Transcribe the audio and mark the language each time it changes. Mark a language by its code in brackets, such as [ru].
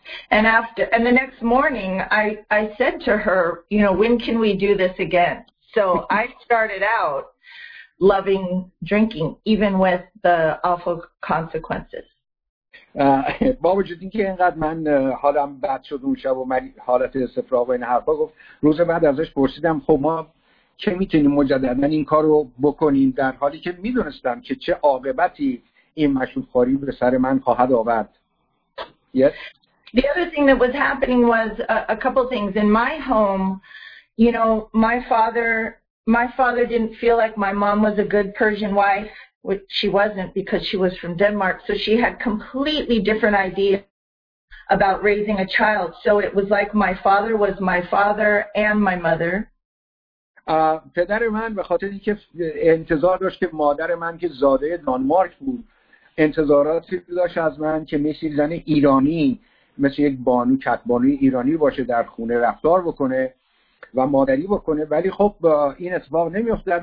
[en] And after and the next morning I said to her, you know, when can we do this again? So I started out loving drinking even with the awful consequences. [fa] با وجود اینکه اینقدر من حالم بد شد اون شب و حالت استفراغ و این حرفا، گفت روز بعد ازش پرسیدم خب ما چه میتونیم مجددا این کارو بکنیم، در حالی که میدونستم که چه عاقبتی این مشروب خوری به سر من خواهد آورد. [en] Yes. The other thing that was happening was a couple things in my home. You know, my father didn't feel like my mom was a good Persian wife, which she wasn't because she was from Denmark. So she had completely different ideas about raising a child. So it was like my father was my father and my mother. [fa] پدر من به خاطر اینکه انتظار داشت که مادر من که زاده دانمارک بود، انتظاراتی داشت از من که مثل زن ایرانی، مثل یک بانو کتبانوی ایرانی باشه، در خونه رفتار بکنه و مادری بکنه، ولی خب این اتفاق نمی افتد.